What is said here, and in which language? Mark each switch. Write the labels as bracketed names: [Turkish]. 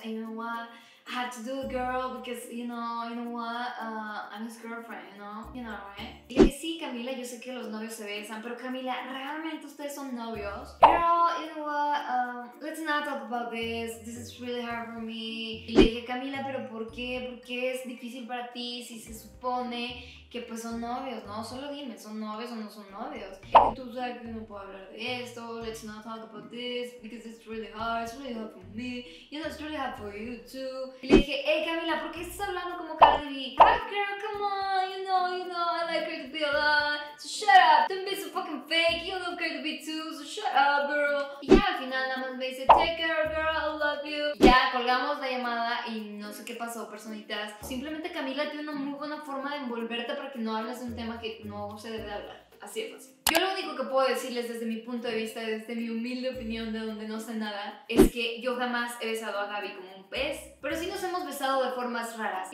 [English] I had to do it, girl, because, I'm his girlfriend, right? [Spanish] Dije, sí, Camila, yo sé que los novios se besan, pero Camila, ¿realmente ustedes son novios? [English] Girl, let's not talk about this. This is really hard for me. [Spanish] Y le dije, Camila, ¿pero por qué? ¿Por qué es difícil para ti si se supone que, pues, son novios, no? Solo dime, ¿son novios o no son novios? Y tú sabes que no puedo hablar de esto. [English] Let's not talk about this, because it's really hard for me. It's really hard for you, too. [Spanish] Y le dije, hey Camila, ¿por qué estás hablando como Cardi B? [English] Hot girl, come on, you know, I like her to be alone. So shut up, don't be so fucking fake, you love Cardi B too, so shut up, girl. [Spanish] Y ya al final nada más me dice, [English] take care, girl, I love you. [Spanish] Ya colgamos la llamada y no sé qué pasó, personitas. Simplemente Camila tiene una muy buena forma de envolverte para que no hables de un tema que no se debe hablar. Así es así. Yo lo único que puedo decirles desde mi punto de vista, desde mi humilde opinión de donde no sé nada, es que yo jamás he besado a Gaby como un pez, pero sí nos hemos besado de formas raras.